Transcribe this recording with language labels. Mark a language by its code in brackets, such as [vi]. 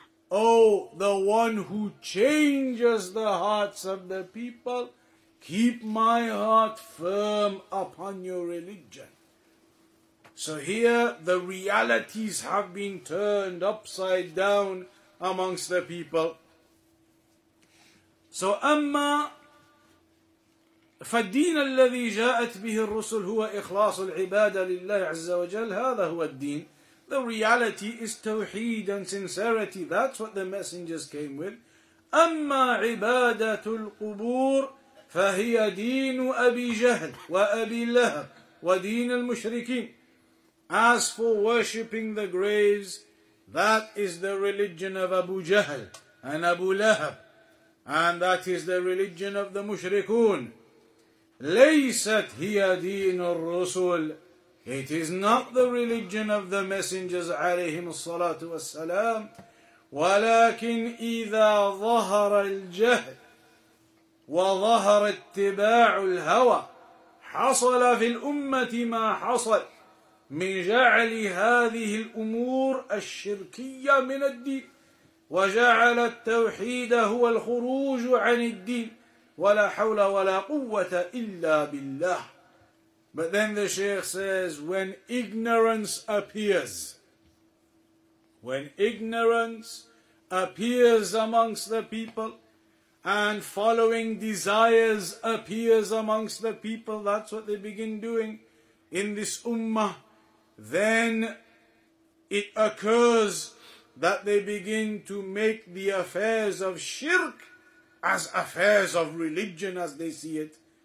[en] Oh, the one who changes the hearts of the people, keep my heart firm upon your religion. So here the realities have been turned upside down amongst the people. [ar] So amma فالدين الذي جاءت به الرسل هو إخلاص العبادة لله عز وجل هذا هو الدين. [en] The reality is tawheed and sincerity. That's what the messengers came with. [ar] أما عبادة القبور فهي دين أبي جهل وأبي لهب ودين المشركين. [en] As for worshipping the graves, that is the religion of Abu Jahl and Abu Lahab, and that is the religion of the Mushrikun. [ar] ليست هي دين الرسل. [en] It is not the religion of the messengers [ar] عليهم الصلاة والسلام. ولكن إذا ظهر الجهل وظهر اتباع الهوى حصل في الأمة ما حصل من جعل هذه الأمور الشركية من الدين وجعل التوحيد هو الخروج عن الدين ولا حول ولا قوة إلا بالله. [en] But then the Shaykh says, when ignorance appears amongst the people and following desires appears amongst the people, that's what they begin doing in this ummah, then it occurs that they begin to make the affairs of shirk as affairs of religion as they see it.